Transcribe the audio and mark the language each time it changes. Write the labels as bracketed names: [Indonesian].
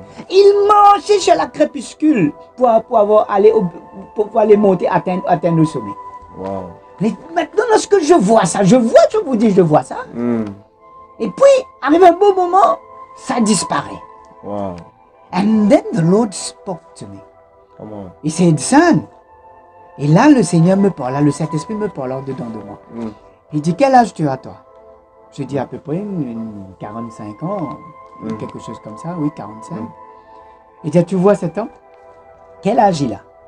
[French] Il marchait chez la crépuscule pour aller monter, atteindre le sommet. Wow. Mais maintenant, lorsque je vois ça, je vous dis, je vois ça. Et puis, arrive un bon moment, ça disparaît. Wow. [English] And then the Lord spoke to me. Come on. [French] Et c'est Edson. Et là, le Seigneur me parle, là, le Saint-Esprit me parle en dedans de moi. Il dit, quel âge tu as, toi? Je dis, à peu près une 45 ans, quelque chose comme ça, oui, 45. Il dit, tu vois cet homme? Quel âge il a?